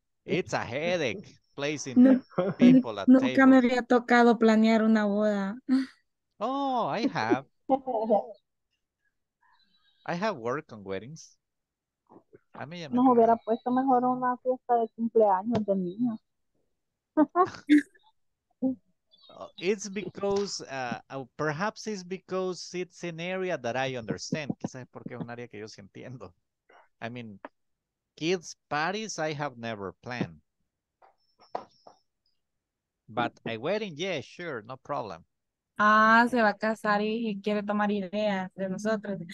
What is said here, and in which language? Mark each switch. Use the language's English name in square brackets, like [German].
[English] It's a headache placing people at [Spanish] nunca [English] table. [Spanish] Nunca me había tocado planear una boda. [English] Oh, I have. I have work on weddings. [Spanish] A mí ya me hubiera puesto mejor una fiesta de cumpleaños de niños. [English] It's because, perhaps it's because it's an area that I understand. [Spanish] Quizás es porque es un área que yo sí entiendo. [English] I mean... kids' parties, I have never planned. But a wedding, yeah, sure, no problem. [Spanish] Ah, se va a casar y quiere tomar ideas de nosotros.